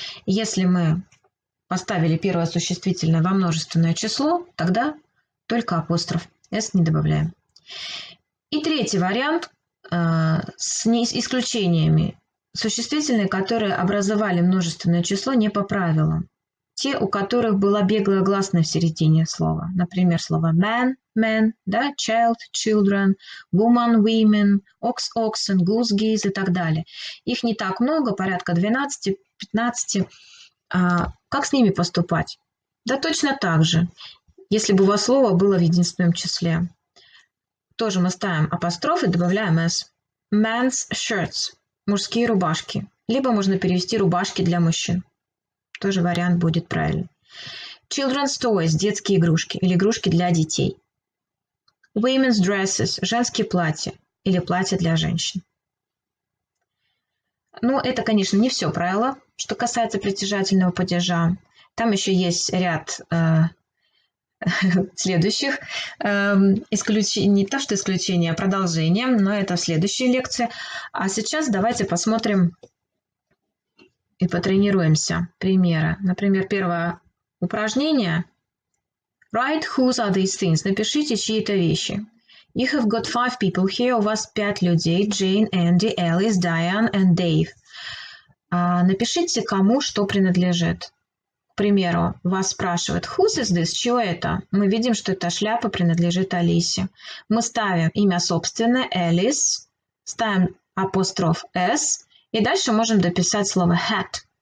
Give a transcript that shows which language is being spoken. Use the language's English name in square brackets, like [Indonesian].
[Russian] Если мы поставили первое существительное во множественное число, тогда только апостроф. S не добавляем. И третий вариант с исключениями. Существительные, которые образовали множественное число не по правилам. Те, у которых была беглая гласная в середине слова. Например, слово man, men, да, child, children, woman, women, ox, oxen, goose, geese и так далее. Их не так много, порядка 12-15. Как с ними поступать? Да точно так же. Если бы у вас слово было в единственном числе. Тоже мы ставим апостроф и добавляем s. [English] Men's shirts. [Russian] Мужские рубашки. Либо можно перевести рубашки для мужчин. Тоже вариант будет правильный. [English] Children's toys. [Russian] Детские игрушки. Или игрушки для детей. [English] Women's dresses. [Russian] Женские платья. Или платья для женщин. Ну, это, конечно, не все правило, что касается притяжательного падежа. Там еще есть ряд следующих исключений, не то что исключение, а продолжение, но это в следующей лекции. А сейчас давайте посмотрим и потренируемся примеры. Например, первое упражнение. [English] Write whose are these things. [Russian] Напишите чьи-то вещи. [English] You have got five people here. [Russian] У вас пять людей. [English] Jane, Andy, Alice, Diane and Dave. [Russian] Напишите, кому что принадлежит. К примеру, вас спрашивают, [English] whose is this, [Russian] чье это? Мы видим, что эта шляпа принадлежит Алисе. Мы ставим имя собственное, Alice, ставим апостроф S, и дальше можем дописать слово hat.